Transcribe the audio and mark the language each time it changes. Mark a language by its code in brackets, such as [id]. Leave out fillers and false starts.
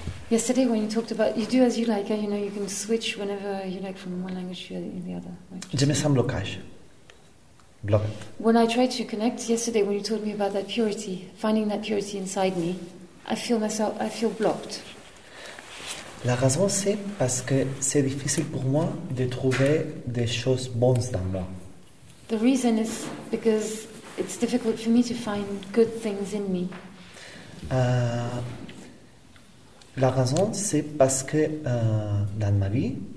[en] Yesterday, when you talked about, you do as you like. You know, you can switch whenever you like from one language to the other. [fr] Je me sens blocage. [en] When I tried to connect yesterday, when you told me about that purity, finding that purity inside me, I feel blocked. [fr] La raison c'est parce que c'est difficile pour moi de trouver des choses bonnes dans moi. [en] The reason is because it's difficult for me to find good things in me. [fr] La raison c'est parce que dans ma vie.